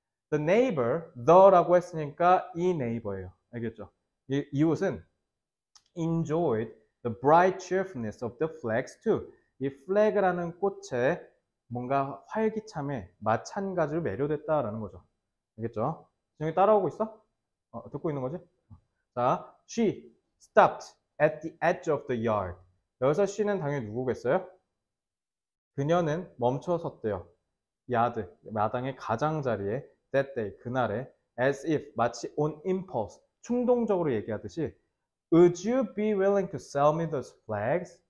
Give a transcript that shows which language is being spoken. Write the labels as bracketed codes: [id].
[en] The neighbor, [ko] the라고 했으니까 이 네이버예요. 알겠죠? 이 이웃은 [en] enjoyed the bright cheerfulness of the flags too. [ko] 이 flag라는 꽃에 뭔가 활기참에 마찬가지로 매료됐다라는 거죠. 알겠죠? 지금 따라오고 있어? 듣고 있는 거지? 자, [en] she stopped at the edge of the yard. [ko] 여기서 she는 당연히 누구겠어요? 그녀는 멈춰 섰대요. 야드, 마당의 가장자리에 [en] that day, [ko] 그날에 [en] as if, [ko] 마치 [en] on impulse, [ko] 충동적으로 얘기하듯이 [en] Would you be willing to sell me those flags?